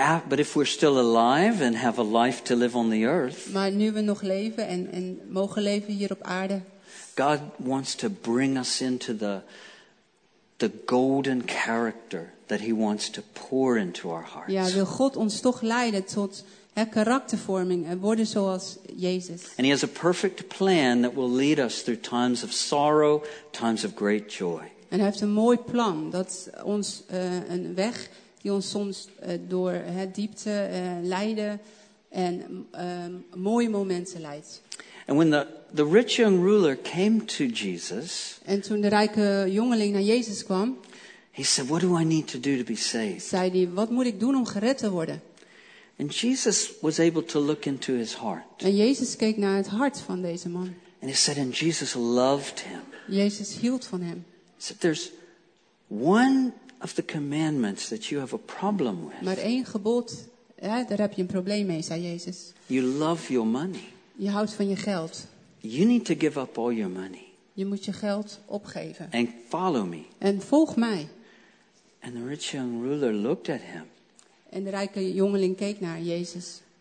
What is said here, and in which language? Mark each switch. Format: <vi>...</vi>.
<en>But if we're still alive and have a life to live on the earth.</en> <nl>Maar nu we nog leven en mogen leven hier op aarde.</nl> <en>God wants to bring us into the golden character that he wants to pour into our hearts.</en> <nl>Ja, wil God ons toch leiden tot karaktervorming en worden zoals Jezus.</nl> <en>And he has a perfect plan that will lead us through times of sorrow, times of great joy.</en> <nl>En hij heeft een mooi plan dat ons een weg die ons soms door diepte leiden en mooie momenten leidt.</nl> <en>And when the rich young ruler came to Jesus.</en> <nl>En toen de rijke jongeling naar Jezus kwam.</nl> <en>He said, "What do I need to do to be saved?"</en> <nl>Zei hij, wat moet ik doen om gered te worden?</nl> <en>And Jesus was able to look into his heart.</en> <nl>En Jezus keek naar het hart van deze man.</nl> <en>And he said, and Jesus loved him.</en> <nl>Jezus hield van hem.</nl> <en>He said, there's one of the commandments that you have a problem with.</en> <nl>Maar één gebod, ja, daar heb je een probleem mee, zei Jezus.</nl> <en>You love your money.</en> <nl>Je houdt van je geld.</nl> <en>You need to give up all your money.</en> <nl>Je moet je geld opgeven.</nl> <en>And follow me.</en> <nl>En volg mij.</nl> <en>And the rich young ruler looked at him.</en> <nl>En de rijke jongeling keek naar Jezus.</nl>